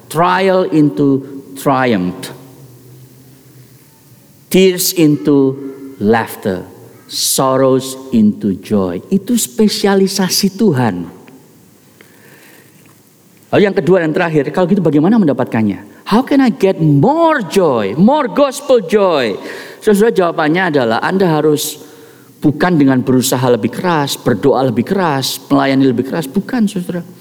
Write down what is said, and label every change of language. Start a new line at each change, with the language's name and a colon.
English: Trial into triumph. Tears into laughter. Sorrows into joy.
Indonesian: Itu spesialisasi Tuhan. Lalu yang kedua dan terakhir, kalau gitu bagaimana mendapatkannya?
English: How can I get more joy, more gospel joy?
Indonesian: Sesudah jawabannya adalah Anda harus bukan dengan berusaha lebih keras, berdoa lebih keras, melayani lebih keras, bukan, saudara.